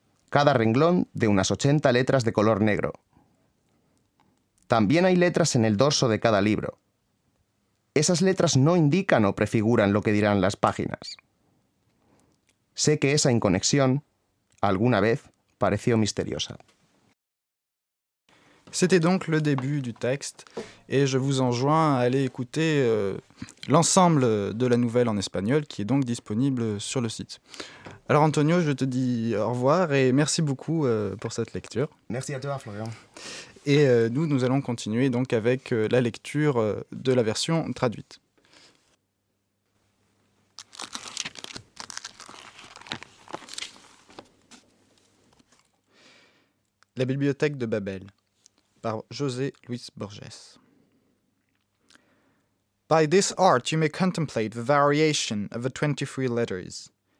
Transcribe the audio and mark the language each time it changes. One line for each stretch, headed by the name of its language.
Spanish: Cada renglón de unas 80 letras de color negro. También hay letras en el dorso de cada libro. Esas letras no indican o prefiguran lo que dirán las páginas. Sé que esa inconexión, alguna vez, pareció misteriosa.
French: C'était donc le début du texte, et je vous enjoins à aller écouter l'ensemble de la nouvelle en espagnol, qui est donc disponible sur le site. Alors Antonio, je te dis au revoir, et merci beaucoup pour cette lecture. Merci à toi, Florian. Et nous allons continuer donc avec la lecture de la version traduite. La bibliothèque de Babel, par José Luis Borges.
English: By this art you may contemplate the variation of the 23 letters.